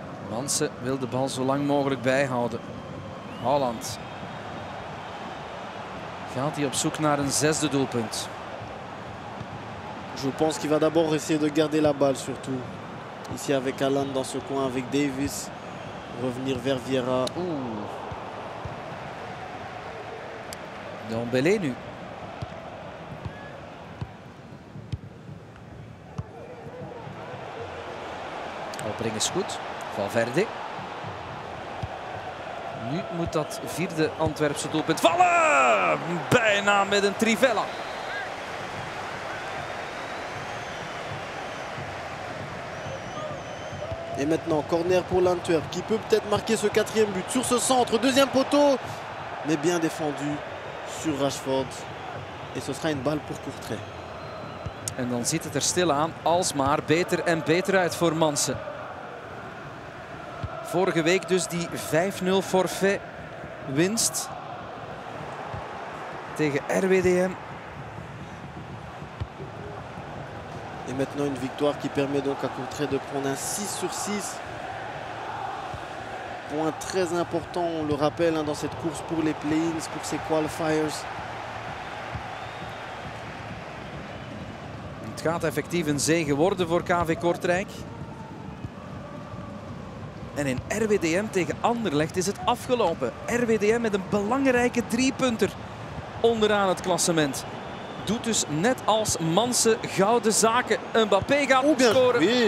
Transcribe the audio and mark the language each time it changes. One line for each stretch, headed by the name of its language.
Dutch: Mansen wil de bal zo lang mogelijk bijhouden. Haaland. Gaat hij op zoek naar een zesde doelpunt?
French: Je pense qu'il va d'abord essayer de garder la balle surtout. Ici avec Haaland dans ce coin avec Davis. Revenir vers Vieira.
Dutch: Dembélé nu. Opbreng is goed. Valverde. Nu moet dat vierde Antwerpse doelpunt vallen. Bijna met een trivella.
French: Et maintenant, corner pour l'Antwerp qui peut peut-être marquer ce quatrième but sur ce centre, deuxième poteau, mais bien défendu sur Rashford. Et ce sera une balle pour Courtrai.
Dutch: En dan ziet het er stil aan, alsmaar beter en beter uit voor Mansen. Vorige week dus die 5-0 forfait winst tegen RWDM.
French: Et maintenant une victoire qui permet donc à Courtrai de prendre un 6 sur 6. Point très important, on le rappelle, hein, dans cette course pour les play-ins, pour ces qualifiers.
Dutch: Het gaat effectief een zegen worden voor KV Kortrijk. En in RWDM tegen Anderlecht is het afgelopen. RWDM met een belangrijke driepunter onderaan het klassement. Doet dus net als Mansen gouden zaken. Mbappé gaat scoren.